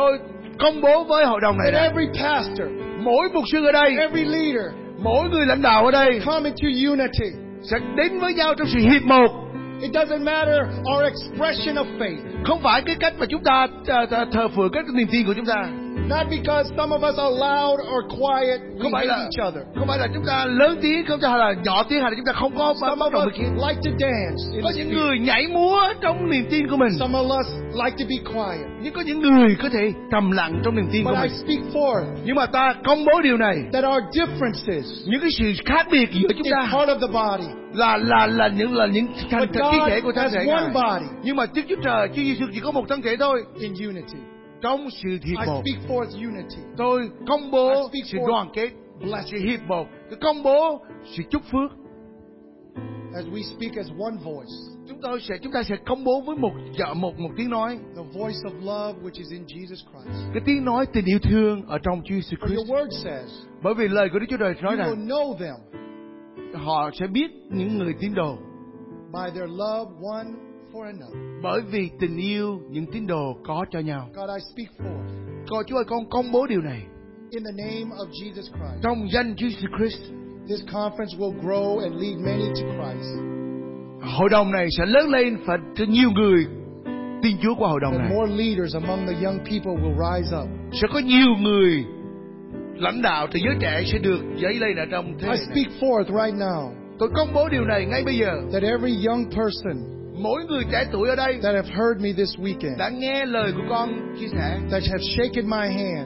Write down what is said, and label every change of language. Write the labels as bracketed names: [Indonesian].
[Vietnamese] Tôi công bố với hội đồng này. [English] Every pastor, [Vietnamese] mỗi mục sư ở đây, [English] every leader, [Vietnamese] mỗi người lãnh đạo ở đây, [English] come into unity. [Vietnamese] Sẽ đến với nhau trong sự hiệp một. [English] It doesn't matter our expression of faith. [Vietnamese] Không phải cái cách mà chúng ta thờ phượng cái niềm tin của chúng ta. [English] Not because some of us are loud or quiet. [Vietnamese] Không phải là [English] each other. [Vietnamese] Không phải là chúng ta lớn tiếng, không phải là nhỏ tiếng, hay là chúng ta không có bao giờ [English] kiện. Like to dance. [Vietnamese] Có những người nhảy múa trong niềm tin của mình. [English] Some of us like to be quiet. [Vietnamese] Nhưng có những người có thể trầm lặng trong niềm tin của mình. [English] But I speak forth. [Vietnamese] Nhưng mà ta công bố điều này. [English] That our differences. [Vietnamese] Những cái sự khác biệt giữa chúng ta. [English] Part of the body. [Vietnamese] Là những thành thân thể của thân thể Ngài. Nhưng mà Đức Chúa Trời, Chúa Giêsu chỉ có một thân thể thôi. [English] In unity. [Vietnamese] Trong sự hiệp một. [English] I speak forth unity. [Vietnamese] Tôi công bố sự đoàn kết, sự hiệp một. Tôi công bố sự chúc phước. [English] As we speak as one voice. [Vietnamese] Chúng ta sẽ công bố với một tiếng nói. [English] The voice of love which is in Jesus Christ. [Vietnamese] Cái tiếng nói tình yêu thương ở trong Chúa Giêsu Christ. [English] The word says. [Vietnamese] Bởi vì lời của Đức Chúa Trời nói rằng. [English] You will know them. [Vietnamese] Họ sẽ biết những người tín đồ [English] by their love one for another. [Vietnamese] Bởi vì tình yêu những tín đồ có cho nhau. [English] God, I speak forth. [Vietnamese] Còn Chúa ơi, con công bố điều này. [English] In the name of Jesus Christ. [Vietnamese] Trong danh Jesus Christ. [English] This conference will grow and lead many to Christ. [Vietnamese] Hội đồng này sẽ lớn lên và nhiều người tin Chúa qua hội đồng này. [English] And more leaders among the young people will rise up. [Vietnamese] Sẽ có nhiều người lãnh đạo từ giới trẻ sẽ được dấy lên ở trong thế này. [English] I speak forth right now. [Vietnamese] Tôi công bố điều này ngay bây giờ. [English] That every young person, [Vietnamese] mỗi người trẻ tuổi ở đây, [English] that have heard me this weekend, [Vietnamese] đã nghe lời của con chia sẻ, [English] that have shaken my hand,